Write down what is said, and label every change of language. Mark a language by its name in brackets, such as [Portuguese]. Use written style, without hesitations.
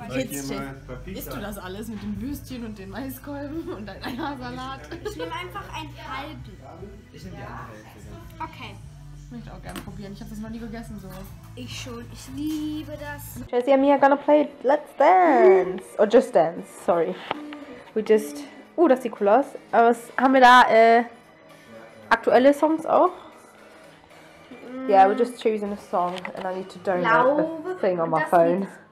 [German] Isst du das alles mit dem Würstchen und den Maiskolben und deinem Eiersalat? Ich nehme einfach ein halbes. Ich nehme gerne halbes. Okay. Ich möchte auch gerne probieren. Ich habe das noch nie gegessen so. Ich schon. Ich liebe das. [English] Jessie and me are gonna play Let's Dance. Or Just Dance. Sorry. We just. [German] Das sieht cool aus. Aber haben wir da aktuelle Songs auch? [English] Yeah, we're just choosing a song and I need to download the thing on my phone.